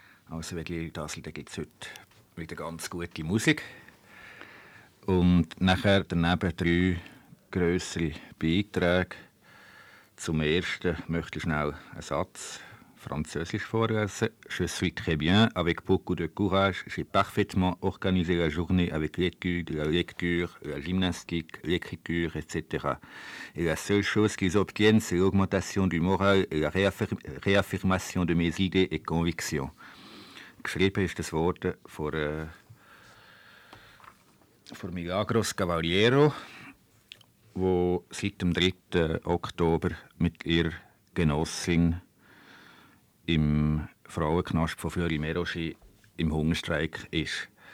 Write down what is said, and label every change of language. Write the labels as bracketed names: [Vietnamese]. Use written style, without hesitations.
[German] Also, wie gesagt, da gibt es heute wieder ganz gute Musik. Und nachher daneben drei grössere Beiträge. Zum Ersten möchte ich schnell einen Satz französisch vorlesen. [French] «Je suis très bien, avec beaucoup de courage, j'ai parfaitement organisé la journée avec l'étude, la lecture, la gymnastique, l'écriture, etc. Et la seule chose qu'ils obtiennent, c'est l'augmentation du moral et la réaffirmation de mes idées et convictions.» [German] Geschrieben ist das Wort von Milagros Cavaliero, wo seit dem 3. Oktober mit ihrer Genossin im Frauenknast von Fleury-Mérogis im Hungerstreik ist.